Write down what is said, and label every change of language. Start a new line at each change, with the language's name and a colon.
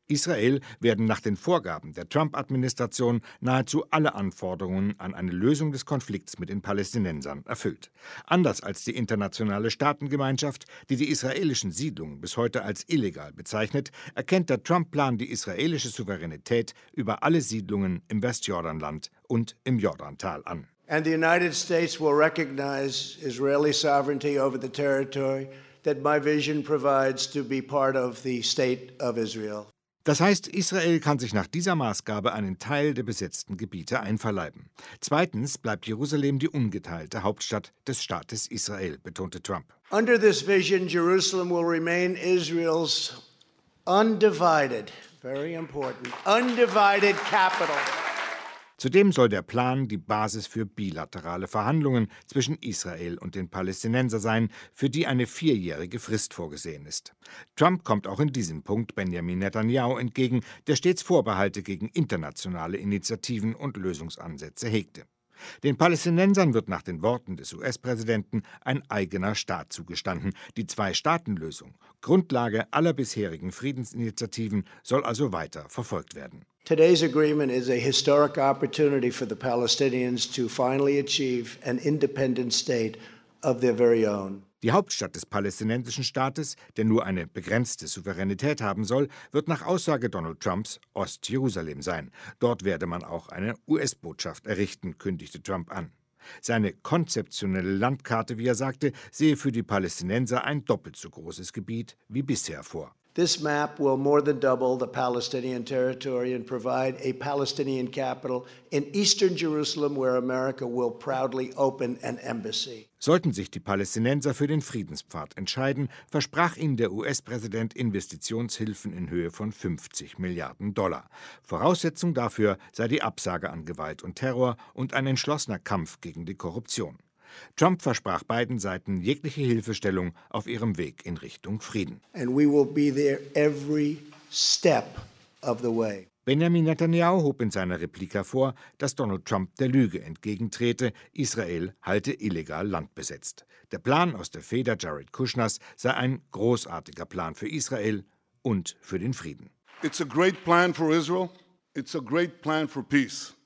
German: Israel werden nach den Vorgaben der Trump-Administration nahezu alle Anforderungen an eine Lösung des Konflikts mit den Palästinensern erfüllt. Anders als die internationale Staatengemeinschaft, die die israelischen Siedlungen bis heute als illegal bezeichnet, erkennt der Trump-Plan die israelische Souveränität über alle Siedlungen im Westjordanland und im Jordantal an.
English: And the United States will recognize Israeli sovereignty over the territory that my vision provides to be part of the state of Israel.
German: Das heißt, Israel kann sich nach dieser Maßgabe einen Teil der besetzten Gebiete einverleiben. Zweitens bleibt Jerusalem die ungeteilte Hauptstadt des Staates Israel, betonte Trump.
English: Under this vision, Jerusalem will remain Israel's undivided, very important, undivided capital.
German: Zudem soll der Plan die Basis für bilaterale Verhandlungen zwischen Israel und den Palästinensern sein, für die eine 4-jährige Frist vorgesehen ist. Trump kommt auch in diesem Punkt Benjamin Netanjahu entgegen, der stets Vorbehalte gegen internationale Initiativen und Lösungsansätze hegte. Den Palästinensern wird nach den Worten des US-Präsidenten ein eigener Staat zugestanden. Die Zwei-Staaten-Lösung, Grundlage aller bisherigen Friedensinitiativen, soll also weiter verfolgt werden.
English: Today's agreement is a historic opportunity for the Palestinians to finally achieve an independent state of their very own.
German: Die Hauptstadt des palästinensischen Staates, der nur eine begrenzte Souveränität haben soll, wird nach Aussage Donald Trumps Ost-Jerusalem sein. Dort werde man auch eine US-Botschaft errichten, kündigte Trump an. Seine konzeptionelle Landkarte, wie er sagte, sehe für die Palästinenser ein doppelt so großes Gebiet wie bisher vor.
English: This map will more than double the Palestinian territory and provide a Palestinian capital in eastern Jerusalem, where America will proudly open an embassy.
German: Sollten sich die Palästinenser für den Friedenspfad entscheiden, versprach ihnen der US-Präsident Investitionshilfen in Höhe von 50 Milliarden Dollar. Voraussetzung dafür sei die Absage an Gewalt und Terror und ein entschlossener Kampf gegen die Korruption. Trump versprach beiden Seiten jegliche Hilfestellung auf ihrem Weg in Richtung Frieden.
English: And we will be there every step of the way.
German: Benjamin Netanyahu hob in seiner Replik hervor, dass Donald Trump der Lüge entgegentrete, Israel halte illegal Land besetzt. Der Plan aus der Feder Jared Kushners sei ein großartiger Plan für Israel und für den Frieden.
English: It's a great plan for Israel. It's a great plan for peace.